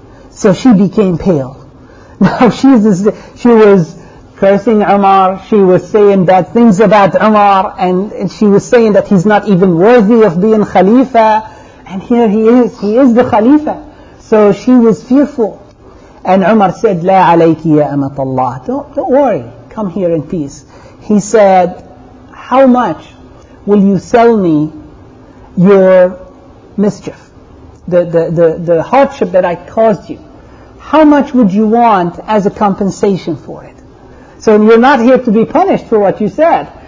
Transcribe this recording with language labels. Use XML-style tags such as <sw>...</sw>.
<en>So she became pale. Now she was cursing Umar, she was saying bad things about Umar, and she was saying that he's not even worthy of being Khalifa, and here he is the Khalifa. So she was fearful. And Umar said,</en> <ar>لا عليك يا أمت الله.</ar> <en>Don't worry, come here in peace. He said, how much will you sell me your mischief, the hardship that I caused you? How much would you want as a compensation for it? So you're not here to be punished for what you said.</en>